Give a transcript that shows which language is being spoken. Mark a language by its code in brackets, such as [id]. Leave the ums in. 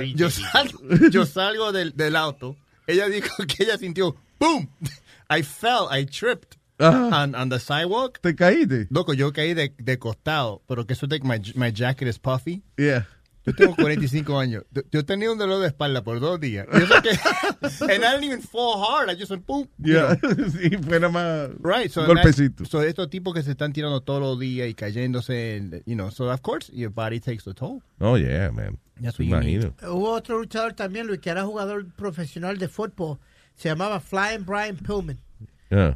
[es] Yo salgo, yo salgo, del, del auto. Ella dijo que ella sintió, ¡boom!, [en] I fell, I tripped [es] uh -huh. [en] on, on the sidewalk. [es] Te caíste. Loco, yo caí de, de costado, pero que suerte so, like, que [en] my, my jacket is puffy. [es] Yeah. Yo tengo 45 años. de, yo he tenido un dolor de espalda por dos días. Y eso que, [en] and I didn't even fall hard. I just went boom. Yeah. You know? [es] sí, fue nada más [en] right, so [es] golpecito. [en] And I, so [es] estos tipos que se están tirando todos los días y cayéndose, [en] you know, so of course your body takes the toll. Oh, yeah, man. [es] Ya Imagino. Uh, hubo otro luchador también, Luis, que era jugador profesional de fútbol se llamaba Flying Brian Pullman. Yeah.